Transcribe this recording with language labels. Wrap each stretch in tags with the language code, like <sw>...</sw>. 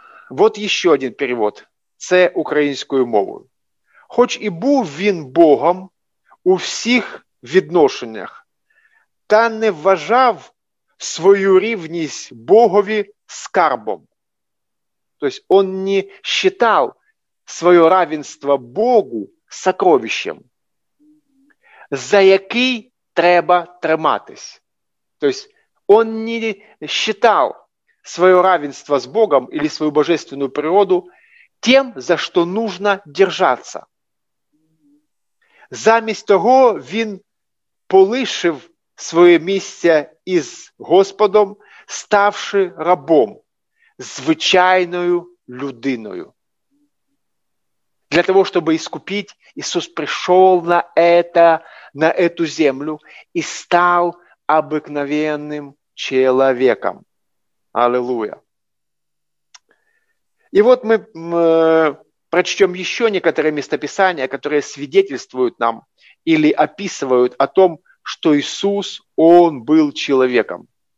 <ru>Вот еще один перевод,</ru> <uk>це українською мовою. Хоч і був він Богом у всіх відношеннях, та не вважав свою рівність Богові скарбом.</uk> <ru>То есть он не считал свое равенство Богу сокровищем,</ru> <uk>за який треба триматись.</uk> <ru>То есть он не считал свое равенство с Богом или свою божественную природу тем, за что нужно держаться.</ru> <uk>Замість того він полишив своє місце із Господом, ставши рабом, звичайною людиною.</uk> <ru>Для того, чтобы искупить, Иисус пришел на эту землю и стал обыкновенным человеком. Аллилуйя. И вот мы прочтем еще некоторые местописания, которые свидетельствуют нам или описывают о том, что Иисус, он был человеком.</ru>